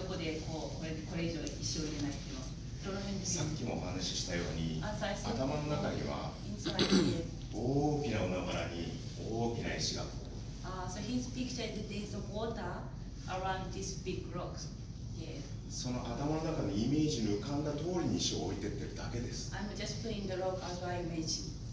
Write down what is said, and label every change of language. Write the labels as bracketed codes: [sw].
[ja] どこでこう、これ以上石を入れないっていうのは。さっきもお話ししたように、頭の中には大きな海原に大きな石が。 [en] So his picture is there's water around this big rock. [ja] その頭の中のイメージに浮かんだ通りに石を置いてってるだけです。 [en] I'm just putting the rock as I imagine.